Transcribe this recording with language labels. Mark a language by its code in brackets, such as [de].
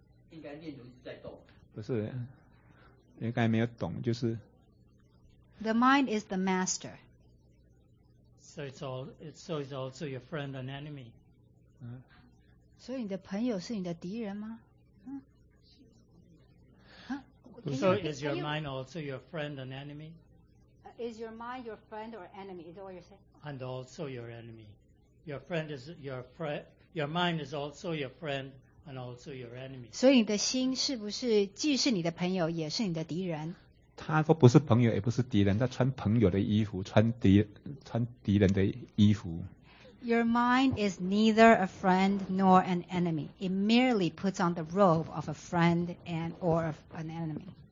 [zh] 应该念头在动。不是，你刚才没有懂，就是。 [en] The mind is the master. So it's also your friend and enemy. [zh] 所以你的朋友是你的敌人吗？ [en] So is your mind also your friend and enemy? Is your mind your friend or enemy? Is that what you're saying? And also your enemy. Your friend is your friend. Your mind is also your friend and also your enemy. [zh] 所以你的心是不是既是你的朋友也是你的敌人？他都不是朋友，也不是敌人。他穿朋友的衣服，穿敌人的衣服。 [en] Your mind is neither a friend nor an enemy. It merely puts on the robe of a friend and or of an enemy.